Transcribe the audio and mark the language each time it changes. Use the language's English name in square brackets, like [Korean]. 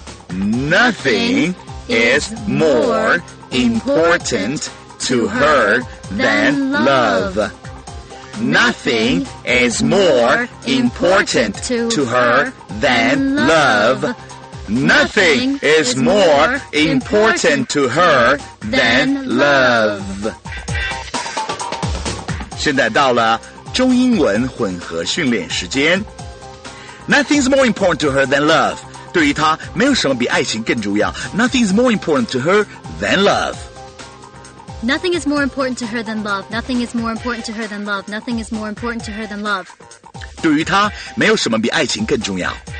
[English] Nothing is more important to her than love. Nothing is more important to her than love. Nothing is more important to her than love. [Chinese] 现在到了中英文混合训练时间。 [English] Nothing's more important to her than love. [Chinese] 对于她，没有什么比爱情更重要。 [English] Nothing's more important to her than love. Nothing is more important to her than love. Nothing is more important to her than love. Nothing is more important to her than love. [Chinese] 对于她，没有什么比爱情更重要。